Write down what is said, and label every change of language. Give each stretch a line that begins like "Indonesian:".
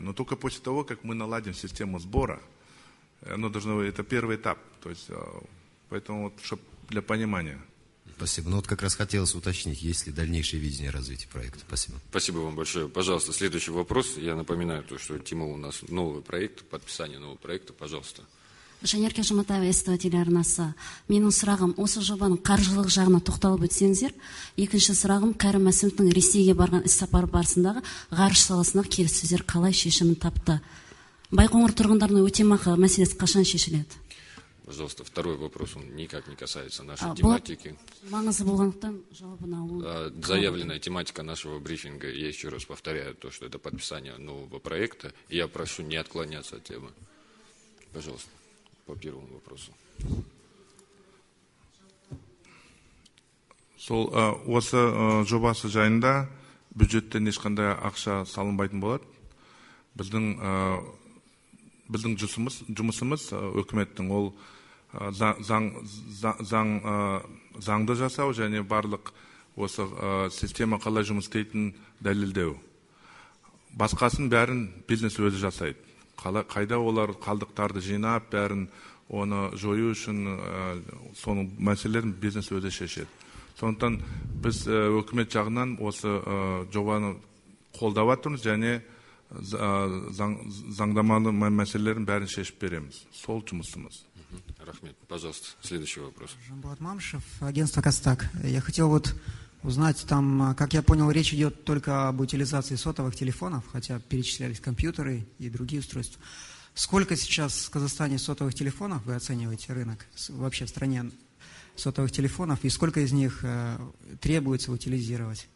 Russian: Но только после того, как мы наладим систему сбора, оно должно, это первый этап, то есть... Поэтому вот, чтобы для понимания. Спасибо. Ну вот как раз хотелось уточнить, есть ли дальнейшее видение развития проекта. Спасибо. Спасибо вам большое. Пожалуйста, следующий вопрос. Я напоминаю, то, что тема у нас новый проект, подписание нового проекта. Пожалуйста.
Kazakh: Жанерке Жұматаева, СТО телеарнасы. Менің сұрағым, осы жобаның қаржылық жағына тоқталып өтсеңіздер. Екінші сұрағым, Кәрім Мәсімовтің Ресейге барған іссапары барысындағы ғарыш саласындағы келіссөздер қалай шешімін тапты. Байқоңыр тұрғындарына өтемақы мәселесі қашан шешіледі?
Russian: Пожалуйста, второй вопрос, он никак не касается нашей тематики. Заявленная тематика нашего брифинга, я еще раз повторяю то, что это подписание нового проекта, и я прошу не отклоняться от темы. Пожалуйста, по первому вопросу.
Kazakh: Сол, осы жобасы жайында бюджеттен ешқандай ақша салынбайтын болады. Біздің жұмысымыз өкіметтің ол заңды жасау және барлық осы система қалай жұмыс істейтінін дәлелдеу. Басқасын бәрін бизнес өзі жасайды. Қайда олар қалдықтарды жинап, бәрін оны жою үшін соның мәселелерін бизнес өзі шешеді. Сондықтан біз өкімет жағынан осы жобаны қолдап отырмыз және заңдамалы мәселелерін бәрін шешіп береміз. Сол жұмысымыз. Рахмет.
Russian: Пожалуйста, следующий вопрос. Жанболат Мамышев, агентство «Костак». Я хотел вот узнать, там, как я понял, речь идет только об утилизации сотовых телефонов, хотя перечислялись компьютеры и другие устройства. Сколько сейчас в Казахстане сотовых телефонов, вы оцениваете рынок вообще в стране сотовых телефонов, и сколько из них требуется утилизировать?